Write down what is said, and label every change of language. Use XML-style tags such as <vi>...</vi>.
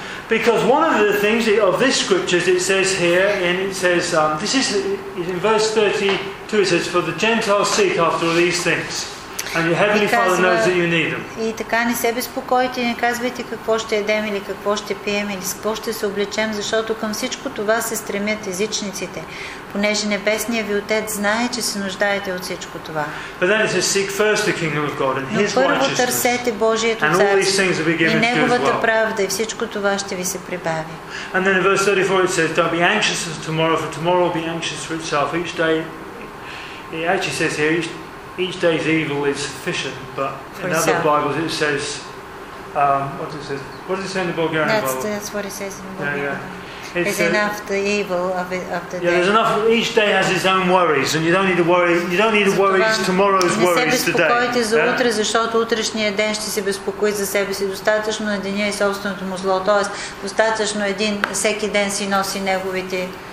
<en>Because one of the things of this scripture, it says here, and it says, this is in verse 32, it says, for the Gentiles seek after all these things. And your heavenly Father knows that you need them.</en> <bg>И така не се безпокойте, не казвайте какво ще едем или какво ще пием или с какво ще се облечем, защото към всичко това се стремят езичниците, понеже небесният ви Отец знае, че се нуждаете от всичко това.</bg> <en>But then it says, seek first the kingdom of God and His righteousness.</en> <bg>Но първо търсете Божието царство и Неговата правда и всичко това ще ви се прибави.</bg> <en>And then in verse 34 it says, don't be anxious for tomorrow, for tomorrow will be anxious for itself. Each day, it actually says here, each day's evil is sufficient, but in other Bibles it says, what does it say? What does it say in the Bulgarian Bible? That's what it says in the Bulgarian Bible. It's enough the evil of the day. Yeah, there's enough. Each day has its own worries, and you don't need to worry. You don't need to worry tomorrow's worries today.</en> <bg>Не се безпокойте за утре, защото утрешният ден ще се безпокои за себе си. Достатъчно на деня и собственото му зло. Тоест, достатъчно един всеки ден си носи неговите</bg>